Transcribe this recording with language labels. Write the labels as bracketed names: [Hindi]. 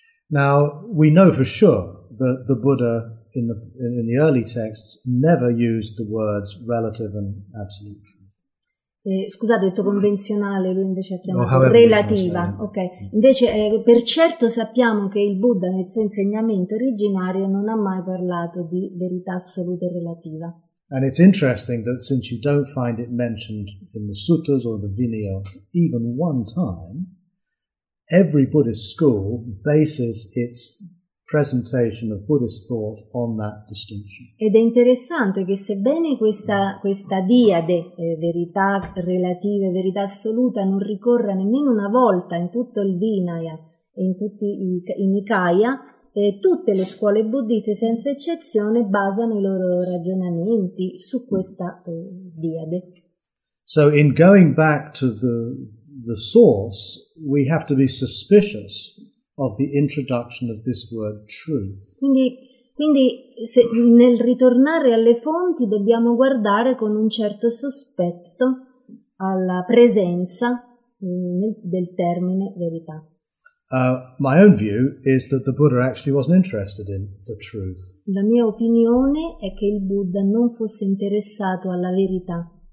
[English] Now, we know for sure that the Buddha in the early texts never used the words relative and absolute truth. [Italian] Scusate, ho detto convenzionale, lui invece ha chiamato relativa. Ok. Invece, per certo sappiamo che il Buddha nel suo insegnamento originario non ha mai parlato di verità assoluta e relativa. [English] And it's interesting that since you don't find it mentioned in the suttas or the Vinaya even one time, every Buddhist school bases its presentation of Buddhist thought on that distinction. [Italian] Ed è interessante che sebbene questa diade, verità relative, verità assoluta, non ricorra nemmeno una volta in tutto il Vinaya e in tutti i Nikaya, tutte le scuole buddhiste senza eccezione basano i loro ragionamenti su questa diade. [English] So in going back to the source, we have to be suspicious of the introduction of this word truth. [Italian] Quindi se nel ritornare alle fonti dobbiamo guardare con un certo sospetto alla presenza del termine verità. [English] My own view is that the Buddha actually wasn't interested in the truth. [Italian] La mia opinione è che il Buddha non fosse interessato alla verità.